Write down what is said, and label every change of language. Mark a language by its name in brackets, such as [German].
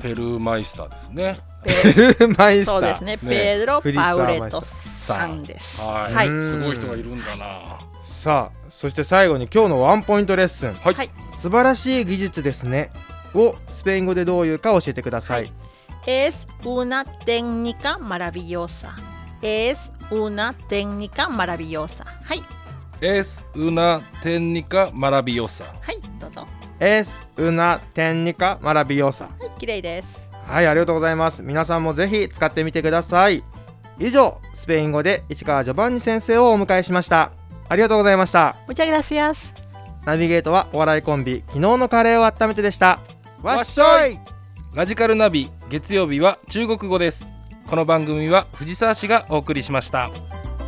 [Japanese] ペルーマイスターですね。ペルーマイスター、そうですね、ペドロ・パウレットさんです。はい、はい、すごい人がいるんだな。さあそして最後に今日のワンポイントレッスン、はい、素晴らしい技術ですねをスペイン語でどういうか教えてください。はい、 [Spanish] Es una técnica maravillosa. Es una técnica maravillosa. [Japanese] はい。 [Spanish] Es una técnica maravillosa. [Japanese] はい、どうぞ。 [Spanish] Es una técnica maravillosa. [Japanese] はい、綺麗です。はい、ありがとうございます。皆さんもぜひ使ってみてください。以上、スペイン語で市川ジョバンニ先生をお迎えしました。ありがとうございました。 [Spanish] Muchas gracias。 [Japanese] ナビゲートはお笑いコンビ昨日のカレーを温めてでした。わっしょい。ラジカルナビ月曜日は中国語です。この番組は藤沢市がお送りしました。